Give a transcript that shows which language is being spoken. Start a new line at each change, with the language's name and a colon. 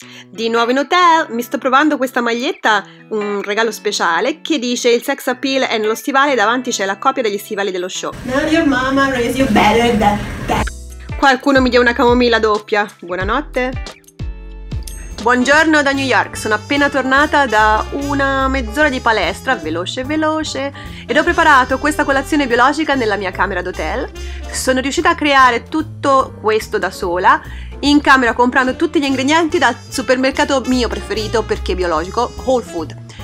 Italian: Di nuovo in hotel, mi sto provando questa maglietta, un regalo speciale, che dice il sex appeal è nello stivale e davanti c'è la copia degli stivali dello show.
English: Now your mama raised you better than that.
Italian: Qualcuno mi dia una camomilla doppia. Buonanotte. Buongiorno da New York, sono appena tornata da una mezz'ora di palestra, veloce, ed ho preparato questa colazione biologica nella mia camera d'hotel. Sono riuscita a creare tutto questo da sola, in camera comprando tutti gli ingredienti dal supermercato mio preferito perché biologico, Whole Food.